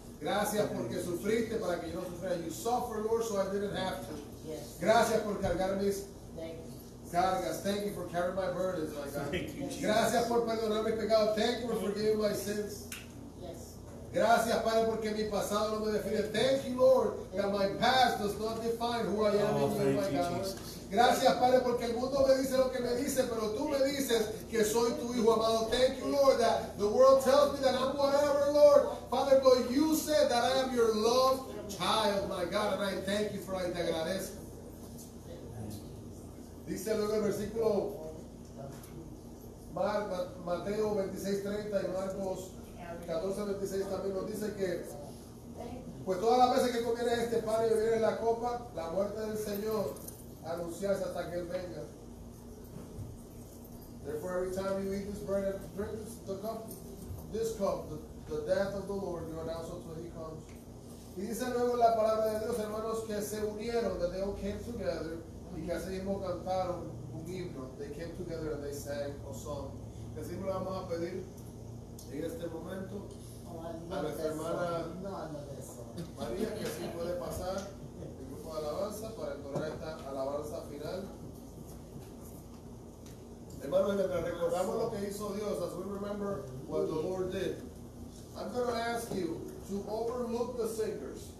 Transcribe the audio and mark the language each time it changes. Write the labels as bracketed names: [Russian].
[Spanish] Gracias porque sufriste para que yo no sufriera. [English] You suffered, Lord, so I didn't have to. [Spanish] Gracias por cargar mis cargas. [English] Thank you for carrying my burdens, my God. [Spanish] Gracias por perdonar mis pecados. [English] Thank you for forgiving my sins. [Spanish] Gracias, Padre, porque mi pasado no me define. [English] Thank you, Lord, that my past does not define who I am in you, my God. [Spanish] Gracias, Padre, porque el mundo me dice lo que me dice, pero tú me dices que soy tu hijo amado. [English] Thank you, Lord, that the world tells me that I'm whatever, Lord. Father, but you said that I am your loved child, my God, and I thank you for it. [Spanish] Te agradezco. Dice luego el versículo Mateo 26:30 y Marcos 14:26 también nos dice que, pues todas las veces que comieres este pan y bebieres la copa, la muerte del Señor anunciarse hasta que Él venga. [English] Therefore, every time you eat this bread and drink this cup, the death of the Lord, you announce until He comes. [Spanish] Y dice luego la palabra de Dios, hermanos, que se unieron, [English] that they all came together, [Spanish] y que así mismo cantaron un himno. [English] They came together and they sang a song. [Spanish] Que así mismo vamos a pedir. En este momento, a nuestra hermana María, que sí puede pasar el grupo de alabanza para entonar esta alabanza final. Hermanos, mientras recordamos lo que hizo Dios, [English] as we remember what the Lord did, I'm going to ask you to overlook the singers.